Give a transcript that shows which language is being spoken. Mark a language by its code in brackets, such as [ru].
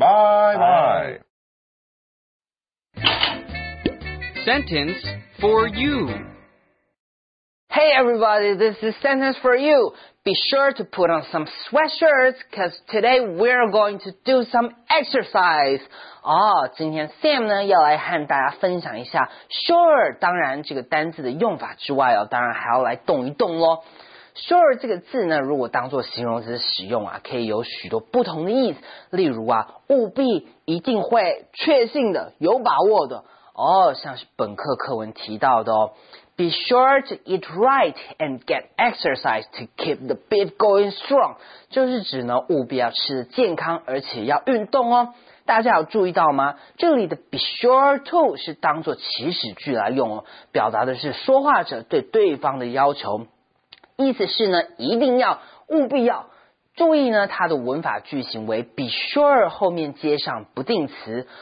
[en] Bye. Sentence for you. Hey everybody, this is Sentence for You. Be sure to put on some sweatshirts, because today we're going to do some exercise. [zh] 哦，今天 Sam 呢要来和大家分享一下 sure， 当然这个单字的用法之外哦，当然还要来动一动咯。 Sure 这个字呢，如果当作形容词使用啊，可以有许多不同的意思。例如啊，务必、一定会、确信的、有把握的。哦，像是本课课文提到的哦。 [en] Be sure to eat right and get exercise to keep the beef going strong. [zh] 就是指呢，务必要吃得健康，而且要运动哦。大家有注意到吗？这里的 be sure to 是当作祈使句来用哦，表达的是说话者对对方的要求。意思是呢，一定要，务必要。注意呢，它的文法句型为 be sure 后面接上不定词。